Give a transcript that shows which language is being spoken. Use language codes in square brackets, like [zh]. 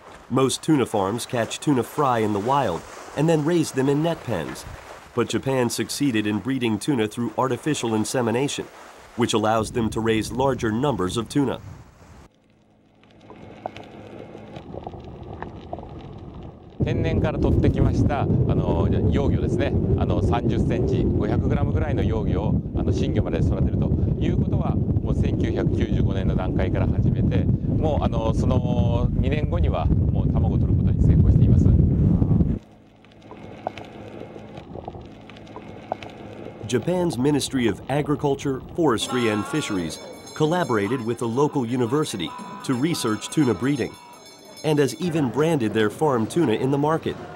[en] Most tuna farms catch tuna fry in the wild and then raise them in net pens. But Japan succeeded in breeding tuna through artificial insemination, which allows them to raise larger numbers of tuna. [ja] 天然から取ってきましたあの幼魚ですね、あの30センチ、500グラムぐらいの幼魚をあの新魚まで育てるということは、もう1995年の段階から始めて、もうあのその2年後にはもう卵を取ることに成功しています。 [en] Japan's Ministry of Agriculture, Forestry and Fisheries collaborated with a local university to research tuna breeding. And has even branded their farm tuna in the market.